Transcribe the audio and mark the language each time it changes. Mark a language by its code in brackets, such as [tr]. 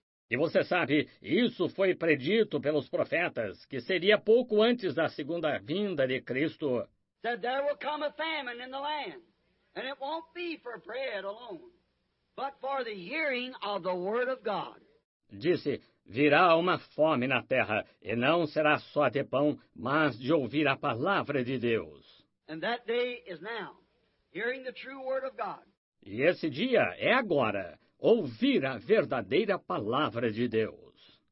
[pt] E você sabe, isso foi predito pelos profetas, que seria pouco antes da segunda vinda de Cristo. [en] That there will come a famine in the land, and it won't be for bread alone, but for the hearing of the word of God. [pt] Disse, virá uma fome na terra, e não será só de pão, mas de ouvir a palavra de Deus. [en] And that day is now, hearing the true word of God. [pt] E esse dia é agora, ouvir a verdadeira palavra de Deus.